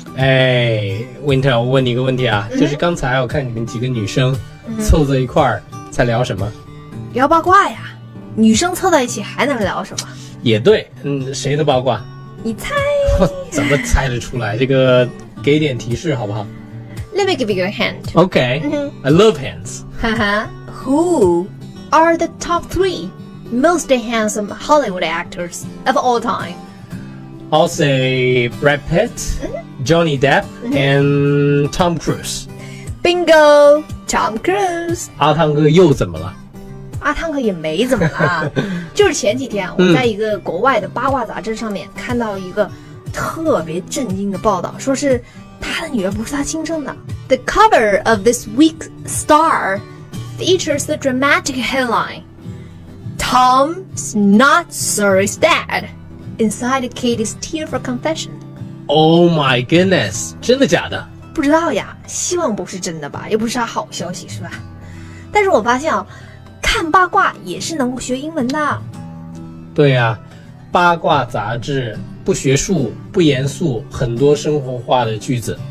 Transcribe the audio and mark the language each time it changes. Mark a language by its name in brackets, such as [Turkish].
[Chinese] 哎 ，Winter， 我问你一个问题啊，就是刚才我看你们几个女生凑在一块儿在聊什么？聊八卦呀。女生凑在一起还能聊什么？也对，谁的八卦？你猜？怎么猜得出来？这个给点提示好不好？ [English] Let me give you a hint. Okay.、Mm-hmm. I love hands. Who are the top three most handsome Hollywood actors of all time? I'll say Brad Pitt,、Johnny Depp,、and Tom Cruise. Bingo! Tom Cruise! [Chinese] 阿汤哥又怎么了？阿汤哥也没怎么了。就是前几天我在一个国外的八卦杂志上面看到一个特别震惊的报道，说是他的女儿不是他亲生的。 [English] The cover of this week's Star features the dramatic headline, Tom's not Suri's dad, inside Katie's tearful confession. Oh my goodness, [Chinese] 真的假的？不知道呀，希望不是真的吧，又不是他好消息是吧？但是我发现看八卦也是能够学英文的。对呀，八卦杂志不学术不严肃，很多生活化的句子。